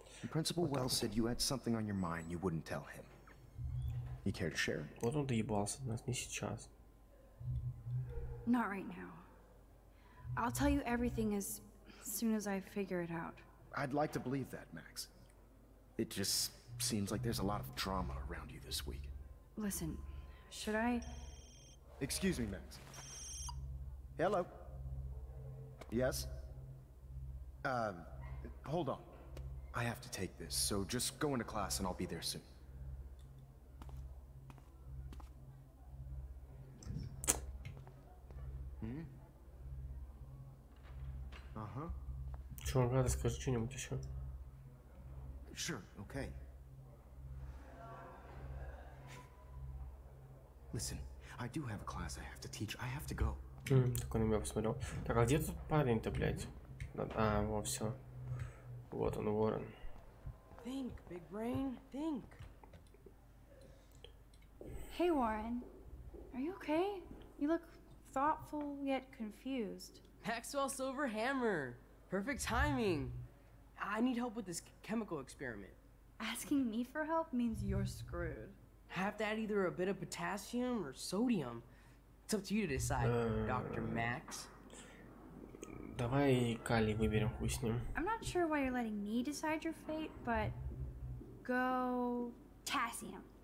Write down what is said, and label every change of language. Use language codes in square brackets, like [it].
[en] Principal Wells said you had something on your mind you wouldn't tell him. You care to share? [ru] Вот он доебался до нас, не сейчас. [en] Not right now. I'll tell you everything as soon as I figure it out. I'd like to believe that, Max. It just seems like there's a lot of drama around you this week. Listen, should I... Excuse me, Max. Hello? Yes? Hold on. I have to take this, so just go into class and I'll be there soon. [ru] Чувак, надо скажи что-нибудь еще. [en] Sure, okay. Listen, I do have a class I have to teach. I have to go. [ru] Такой на меня посмотрел. Так, а где тут парень-то, блядь? А, во все. Вот он, Уоррен. [en] Think, big brain, think. Hey, Уоррен. Are you okay? You look thoughtful yet confused. Maxwell Silverhammer. Perfect timing. I need help with this chemical experiment. Asking me for help means you're screwed. I have to add either a bit of potassium or sodium. It's up to you to decide, Dr. Max. [ru] Давай калий выберем, хуй с ним. [en] I'm not sure why you're letting me decide your fate, but go potassium.